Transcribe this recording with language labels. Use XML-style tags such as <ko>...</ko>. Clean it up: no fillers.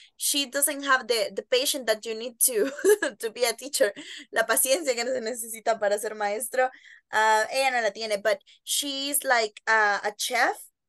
<en>She doesn't have the patience that you need to be a teacher.</en> <es>La paciencia que se necesita para ser maestro. Ella no la tiene,</es> <en>but she's like a chef.</en>